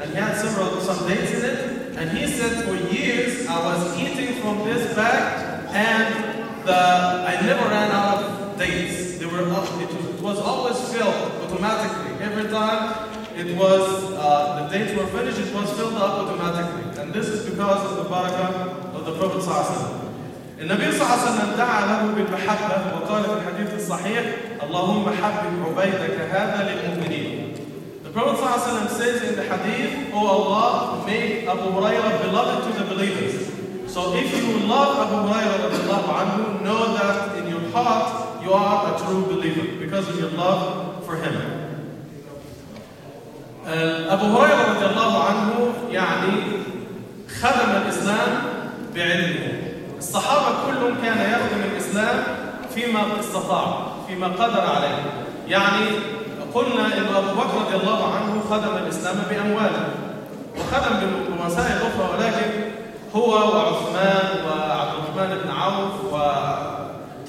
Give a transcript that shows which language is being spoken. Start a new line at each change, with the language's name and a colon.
English: And he had some dates in it. And he said, for years I was eating from this bag and I never ran out of dates. They were it was always filled automatically. Every time it was the dates were finished, it was filled up automatically. And this is because of the barakah of the Prophet
Arabic: صلى الله عليه وسلم. النبي صلى الله عليه وسلم دعا له بالمحبة وقال في الحديث الصحيح اللهم حبب عبيدك هذا للمؤمنين.
English: The Prophet
Arabic: صلى الله عليه وسلم
English: says in the hadith, O Allah, make Abu Hurairah beloved to the believers. So if you love Abu Hurairah
Arabic: رضي الله عنه,
English: know that in your heart you are a true believer because of your love for him.
Arabic: Abu Hurairah رضي الله عنه يعني خدم الإسلام بعلمه. الصحابة كلهم كان يخدم الإسلام فيما استطاع, فيما قدر عليه. يعني قلنا إن أبو بكر رضي الله عنه خدم الإسلام بأمواله وخدم بمسائل أخرى، ولكن هو وعثمان وعبد الرحمن بن عوف وطلحة